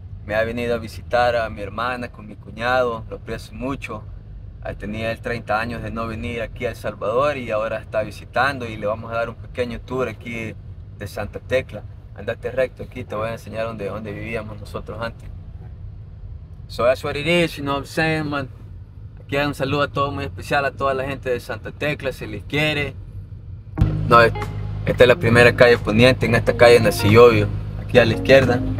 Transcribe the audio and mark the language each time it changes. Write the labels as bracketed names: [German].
[Spanish] Me ha venido a visitar a mi hermana con mi cuñado, lo aprecio mucho. Tenía él 30 años de no venir aquí a El Salvador y ahora está visitando y le vamos a dar un pequeño tour aquí de Santa Tecla. Andate recto aquí, te voy a enseñar dónde vivíamos nosotros antes. [English] So that's what it is, you know what I'm saying, man. [Spanish] Aquí un saludo a todos muy especial, a toda la gente de Santa Tecla, si les quiere. No, esta es la primera calle poniente, en esta calle nací yo, vio. Aquí a la izquierda.